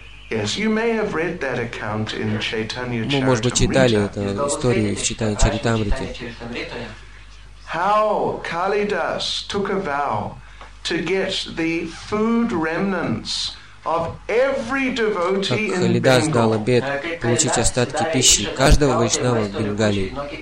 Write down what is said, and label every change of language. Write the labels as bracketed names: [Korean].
[English] Yes, you may have read that account in Chaitanya Charitamrita. [Russian] Мы, может быть, читали эту историю в Чайтанья Чаритамрите. [English] How Kalidas took a vow to get the food remnants of every devotee in Bengal. [Russian] Как Калидас дал обет получить остатки пищи каждого вайшнава в Бенгалии.